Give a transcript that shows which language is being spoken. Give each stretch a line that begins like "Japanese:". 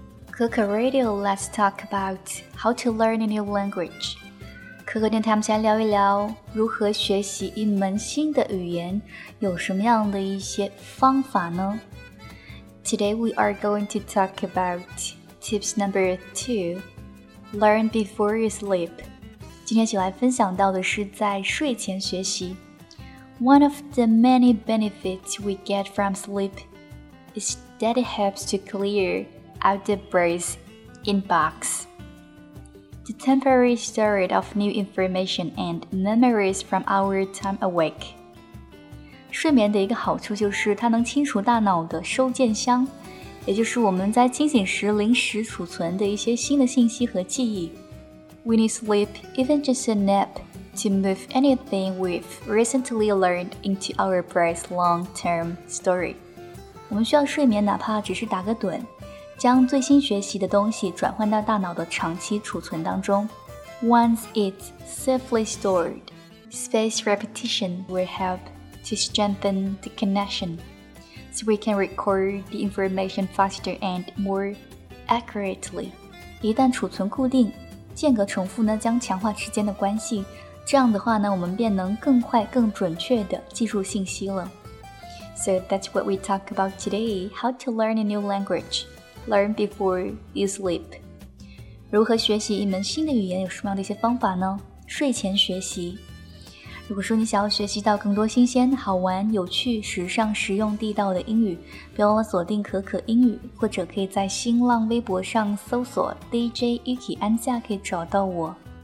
English: Coco Radio, let's talk about how to learn a new language.
Chinese: Coco 电台，我们先聊一聊如何学习一门新的语言，有什么样的一些方法呢？
English: Today we are going to talk about tips number 2, learn before you sleep.
Chinese: 今天想来分享到的是在睡前学习。
English: One of the many benefits we get from sleep is that it helps to clear out the brain's inbox. The temporary storage of new information and memories from our time awake.
Chinese: 睡眠的一个好处就是它能清除大脑的收件箱，也就是我们在清醒时临时储存的一些新的信息和记忆。
English: We need sleep, even just a nap. To move anything we've recently learned into our brain's long-term story.
Chinese: 我们需要睡眠哪怕只是打个盹，将最新学习的东西转换到大脑的长期储存当中。
English: Once it's safely stored, spaced repetition will help to strengthen the connection, so we can record the information faster and more accurately.
Chinese: 一旦储存固定，间隔重复呢，将强化之间的关系，这样的话呢，我们便能更快更准确地记住信息了。
English: So that's what we talk about today, how to learn a new language. Learn before you sleep.
Chinese: 如何学习一门新的语言，有什么样的一些方法呢？睡前学习。如果说你想要学习到更多新鲜、好玩、有趣、时尚、实用、地道的英语，别忘了锁定可可英语，或者可以在新浪微博上搜索 DJ Yuki 安夏，可以找到我。